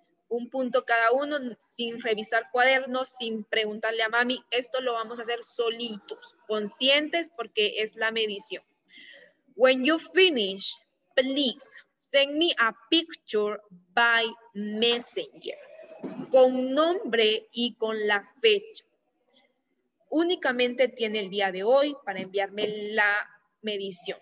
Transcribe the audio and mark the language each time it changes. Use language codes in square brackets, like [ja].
[es] Un punto cada uno sin revisar cuadernos, sin preguntarle a mami. Esto lo vamos a hacer solitos, conscientes, porque es la medición. [en] When you finish, please send me a picture by messenger. [es] Con nombre y con la fecha. Únicamente tiene el día de hoy para enviarme la medición.